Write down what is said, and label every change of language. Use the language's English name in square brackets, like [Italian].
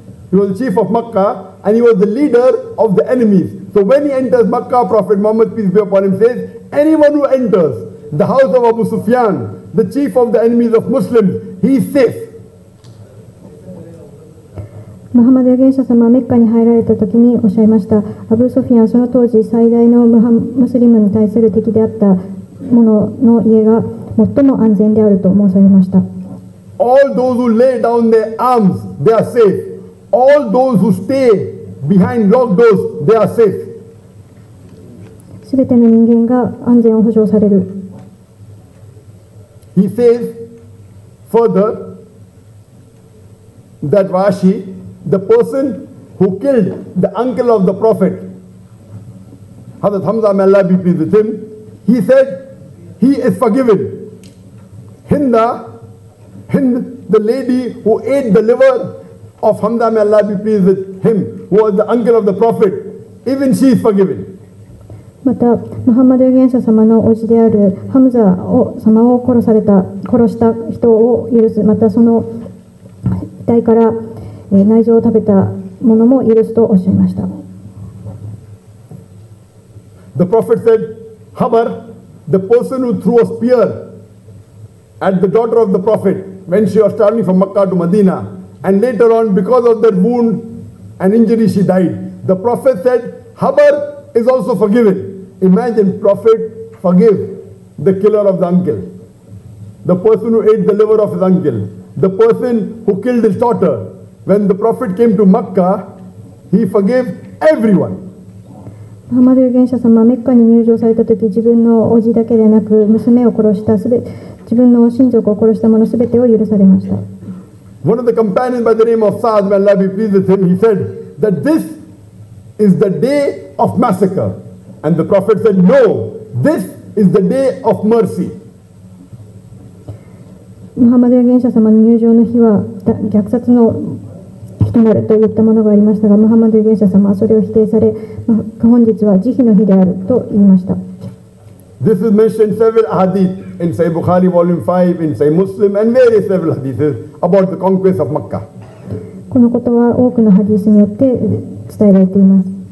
[English] He was the chief of Makkah and he was the leader of the enemies. So when he enters Makkah, Prophet Muhammad peace be upon him says, anyone who enters the house of Abu Sufyan, the chief of the enemies of Muslims, he is safe. [Japanese] ムハンマド預言者様はメッカに入られた時におっしゃいましたアブソフィアンはその当時最大のムスリムに対する敵であったものの家が最も安全であると申されました [English] All those who lay down their arms, they are safe. All those who stay behind locked doors, they are safe. [Japanese] 全ての人間が安全を保障される [English] He says further that RashiThe person who killed the uncle of the prophet, Hazrat Hamza, may Allah be pleased with him, he said, he is forgiven. Hind, the lady who ate the liver of Hamza, may Allah be pleased with him, who was the uncle of the prophet, even she is forgiven. [Japanese] またムハンマド預言者様のおじであるハムザ様を殺した人を許す。またその遺体から内臓を食べたものも許すとおっしゃいました。 [English] The Prophet said, Habar, the person who threw a spear at the daughter of the Prophet when she was traveling from Makkah to Medina, and later on, because of that wound and injury, she died. The Prophet said, Habar is also forgiven. Imagine, Prophet forgive the killer of the uncle, the person who ate the liver of his uncle, the person who killed his daughter. When the Prophet came to Makkah, he forgave everyone. [Japanese] ムハンマド預言者様はメッカに入場された時、自分のおじだけでなく娘を殺したすべ、自分の親族を殺した者すべてを許されました。 [English] One of the companions by the name of Sa'd, may Allah be pleased with him, he said that this is the day of massacre. And the Prophet said, no, this is the day of mercy. [Japanese] ムハンマド預言者様の入場の日は虐殺の日となるといったものがありましたがムハンマド預言者様はそれを否定され本日は慈悲の日であると言いました [English] This is mentioned several hadith in Sahih Bukhari volume 5 in Sahih Muslim and various several hadiths about the conquest of Makkah [Japanese] このことは多くのハディスによって伝えられています